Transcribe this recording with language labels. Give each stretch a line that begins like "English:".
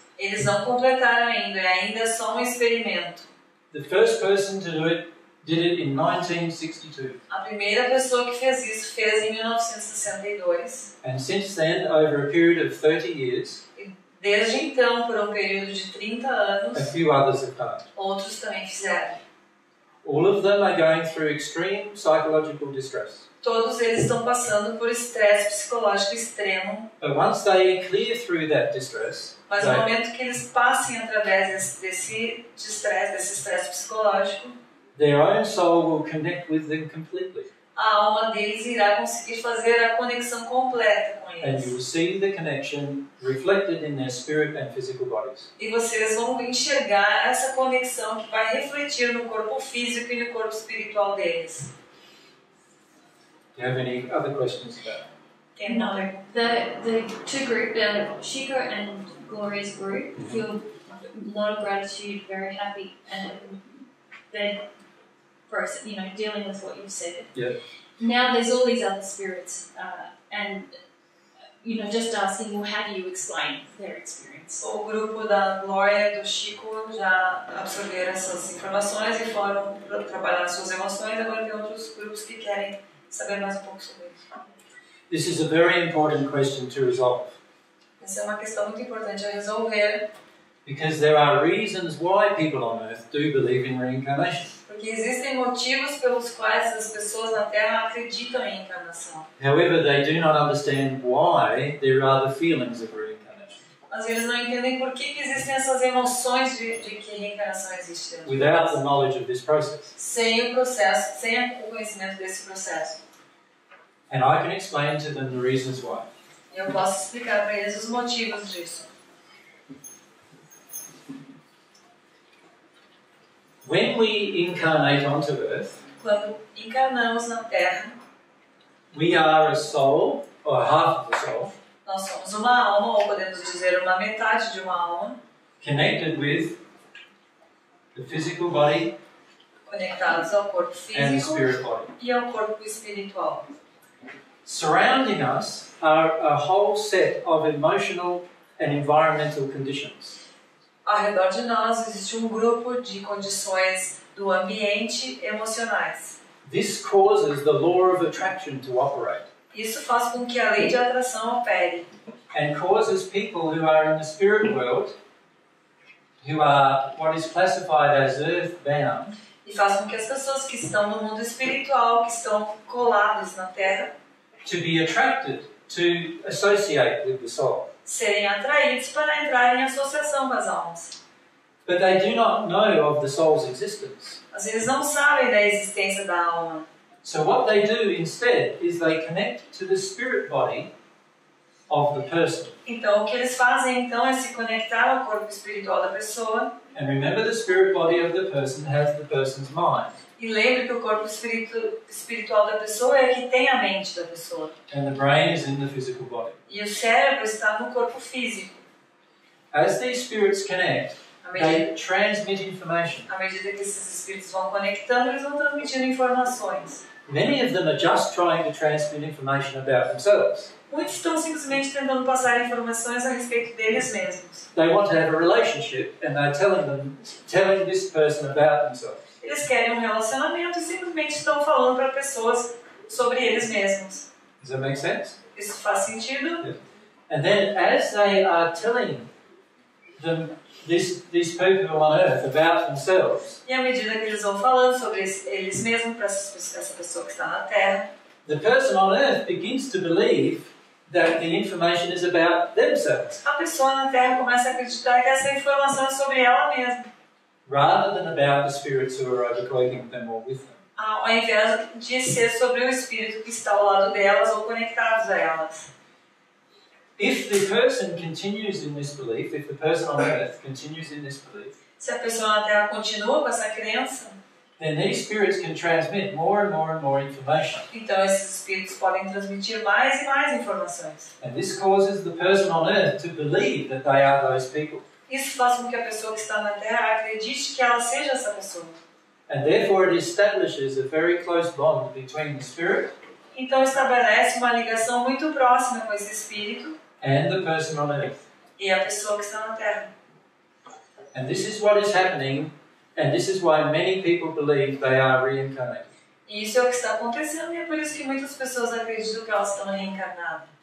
Portuguese: Eles não completaram ainda. É ainda só um experimento.
English: The first person to do it did it in 1962.
Portuguese: A primeira pessoa que fez isso fez em 1962.
English: And since then, over a period of 30 years.
Portuguese: Desde então, por período de 30 anos,
English: a few others have done.
Portuguese: Outros também fizeram.
English: All of them are going through extreme psychological distress.
Portuguese: Todos eles estão passando por estresse psicológico extremo.
English: But once they clear through that distress,
Portuguese: mas no momento que eles passem através desse estresse psicológico,
English: their own soul will connect with them completely.
Portuguese: A alma deles irá conseguir fazer a conexão completa com eles.
English: And you will see the connection reflected in their spirit and physical bodies.
Portuguese: E vocês vão enxergar essa conexão que vai refletir no corpo físico e no corpo espiritual deles.
English: Do you have any other questions about that? No. The two group, Chico and Gloria's group, feel a lot of gratitude, very happy, and they're dealing with what you said. Yeah. Now there's all these other spirits, and just asking, well, how do you explain their experience?
Portuguese: O grupo da Glória e do Chico já absorveram essas informações e foram trabalhar suas emoções. Agora tem outros grupos que querem saber mais um pouco sobre isso.
English: This is a very important question to resolve.
Portuguese: Essa é uma questão muito importante a resolver.
English: Because there are reasons why people on Earth do believe in reincarnation.
Portuguese: Porque existem motivos pelos quais as pessoas na Terra acreditam em reencarnação.
English: However, they do not understand why there are the feelings of reincarnation.
Portuguese: Mas eles não entendem por que existem essas emoções de que reencarnação existe.
English: Without the knowledge of this process.
Portuguese: Sem o conhecimento desse processo.
English: And I can explain to them the reasons why.
Portuguese: Eu posso explicar para eles os motivos disso.
English: When we incarnate onto Earth,
Portuguese: quando encarnamos na Terra,
English: we are a soul, or half of a soul,
Portuguese: nós somos uma alma, ou podemos dizer uma metade de uma alma,
English: connected with the physical body,
Portuguese: conectados ao corpo físico,
English: and the spirit body,
Portuguese: e ao corpo espiritual.
English: Surrounding us are a whole set of emotional and environmental conditions.
Portuguese: Ao redor de nós existe grupo de condições do ambiente emocionais.
English: This causes the law of attraction to operate.
Portuguese: Isso faz com que a lei de atração opere.
English: And causes people who are in the spirit world, who are what is classified as earthbound.
Portuguese: E faz com que as pessoas que estão no mundo espiritual, que estão coladas na Terra,
English: to be attracted to associate with the soul.
Portuguese: Serem atraídos para entrar em associação com as almas.
English: But they do not know of the soul's existence.
Portuguese: Mas eles não sabem da existência da alma.
English: So what they do instead is they connect to the spirit body of the person.
Portuguese: Então o que eles fazem então é se conectar ao corpo espiritual da pessoa.
English: And remember, the spirit body of the person has the person's mind.
Portuguese: E lembre que o corpo espiritual da pessoa é que tem a mente da pessoa.
English: And the brain is in the physical body.
Portuguese: E o cérebro está no corpo físico.
English: As these spirits connect, they transmit information.
Portuguese: À medida que esses espíritos vão conectando, eles vão transmitindo informações.
English: Many of them are just trying to transmit information about themselves.
Portuguese: Muitos estão simplesmente tentando passar informações a respeito deles mesmos.
English: They want to have a relationship, and they're telling this person about themselves.
Portuguese: Eles querem um relacionamento e simplesmente estão falando para pessoas sobre eles mesmos.
English: Does that make sense?
Portuguese: Isso faz sentido?
English: Yeah. And then, as they are telling them these people on Earth about themselves.
Portuguese: E à medida que eles vão falando sobre eles mesmos para essa pessoa que está na Terra.
English: The person on Earth begins to believe that the information is about themselves.
Portuguese: A pessoa na Terra começa a acreditar que essa informação é sobre ela mesma.
English: Rather than about the spirits who are overcoming them or with them.
Portuguese: Ao invés de ser sobre o espírito que está ao lado delas ou conectados a elas.
English: If the person continues in this belief, if the person on Earth continues in this belief,
Portuguese: se a pessoa na Terra continua com essa crença,
English: then these spirits can transmit more and more and more information.
Portuguese: Então esses espíritos podem transmitir mais e mais informações.
English: And this causes the person on Earth to believe that they are those people.
Portuguese: Isso faz com que a pessoa que está na Terra acredite que ela seja essa pessoa.
English: And therefore it establishes a very close bond between the spirit.
Portuguese: Então estabelece uma ligação muito próxima com esse espírito.
English: And the person on Earth.
Portuguese: E a pessoa que está na Terra.
English: And this is what is happening. And this is why many people believe they are reincarnated.
Portuguese: Isso é o que está acontecendo e é por isso que muitas pessoas acreditam que elas estão reencarnadas.